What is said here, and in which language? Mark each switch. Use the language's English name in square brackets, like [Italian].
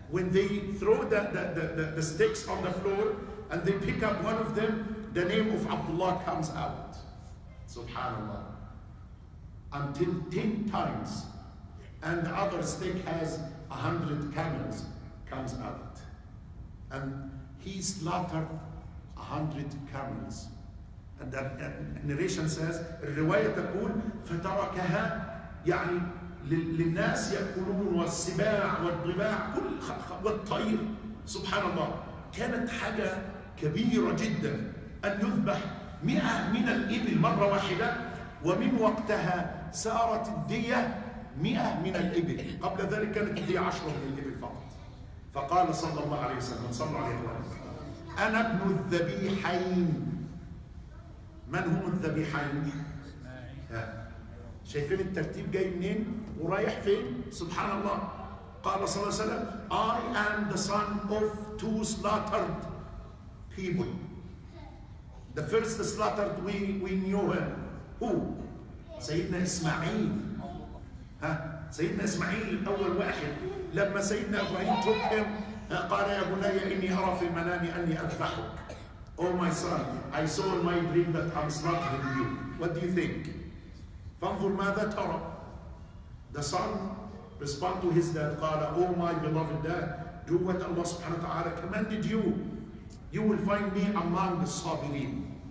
[English] When they throw the sticks on the floor and they pick up one of them, the name of Abdullah comes out. Subhanallah. Until 10 times, and the other stick has 100 camels comes out. And he slaughtered 100 camels. And the narration says, [Arabic] الرواية تقول فتركها يعني للناس يأكلون والسباع والضباع كل والطير. سبحان الله. كانت حاجة كبيرة جدا أن يذبح 100 من الإبل مرة واحدة. ومن وقتها سارت الدية 100 من الإبل. قبل ذلك كانت الدية 10 من الإبل فقط. فقال صلى الله عليه وسلم, صلى الله عليه وسلم, أنا ابن الذبيحين. من هم الذبيحين؟ شايفين الترتيب جاي منين ورايح فين؟ سبحان الله. [English] قال صلى الله عليه وسلم, I am the son of two slaughtered people. The first slaughtered we knew him. Who? [Arabic] سيدنا إسماعيل. ها سيدنا إسماعيل أول واحد. لما سيدنا إبراهيم [English] took him, [Arabic] قال يا بني إني أرى في المنام أني أذبحك. [English] Oh my son, I saw in my dream that I'm slaughtering you. What do you think? [Arabic] فانظر ماذا ترى. [English] The son responded to his dad, قال Oh my beloved dad, do what Allah subhanahu wa ta'ala commanded you, you will find me among the sabirin.